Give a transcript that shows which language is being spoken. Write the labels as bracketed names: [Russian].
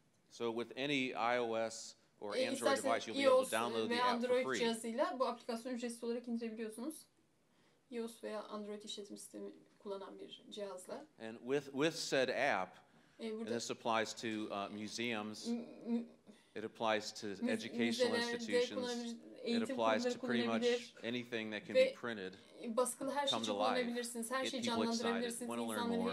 [English] So with any iOS or Android device, you'll be able to download the app for free. [Turkish] Cihazıyla bu aplikasyonu ücretsiz olarak indirebiliyorsunuz. iOS veya Android işletim sistemi kullanan bir cihazla. [English] And with said app. And this applies to museums, it applies to educational institutions, it applies to pretty much anything that can be printed, come to life, get people excited, want to learn more.